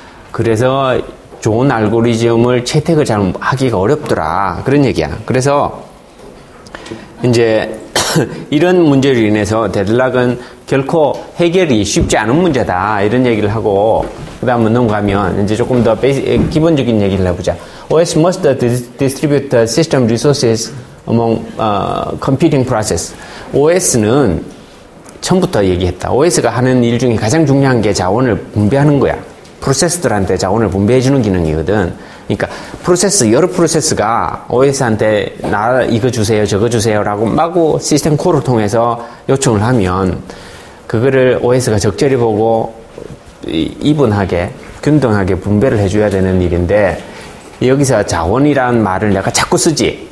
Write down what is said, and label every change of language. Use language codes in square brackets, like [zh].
[ko] 그래서 좋은 알고리즘을 채택을 잘 하기가 어렵더라. 그런 얘기야. 그래서 이제 이런 문제로 인해서 데드락은 결코 해결이 쉽지 않은 문제다. 이런 얘기를 하고 그 다음은 넘어가면 이제 조금 더 기본적인 얘기를 해보자. [en] OS must distribute the system resources among computing process. [ko] OS는 처음부터 얘기했다. OS가 하는 일 중에 가장 중요한 게 자원을 분배하는 거야. 프로세스들한테 자원을 분배해주는 기능이거든. 그러니까 프로세스 여러 프로세스가 OS한테 나 이거 주세요 저거 주세요 라고 마구 시스템 콜을 통해서 요청을 하면 그거를 OS가 적절히 보고 이분하게 균등하게 분배를 해줘야 되는 일인데 여기서 자원이란 말을 내가 자꾸 쓰지.